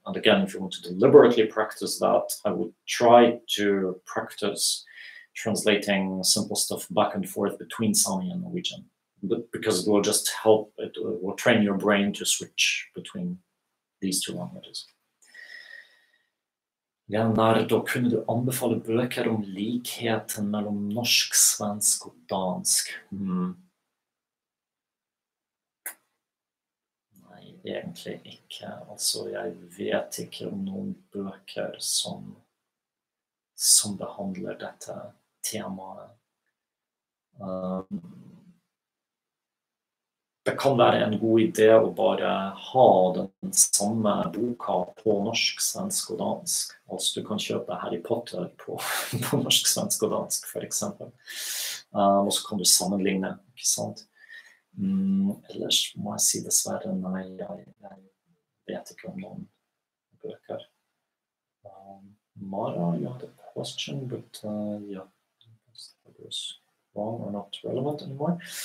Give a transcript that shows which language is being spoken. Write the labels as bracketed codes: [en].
[en] And again, if you want to deliberately practice that, I would try to practice translating simple stuff back and forth between Sami and Norwegian, but because it will just help, it will train your brain to switch between these two languages. [sv] Ja, när då kunde du anbefala böcker om likheten mellan norsk, svensk och dansk? Nej, egentligen inte. Alltså, jag vet inte om någon böcker som behandlar detta tema. [no] Det kan være en god idé å bare ha den samme boka på norsk, svensk og dansk. Altså du kan kjøpe Harry Potter på norsk, svensk og dansk, for eksempel. Og så kan du sammenligne, ikke sant? Ellers må jeg si dessverre, nei, jeg vet ikke om noen bøker. [en] Mara, you had a question, but yeah, was wrong or not relevant anymore.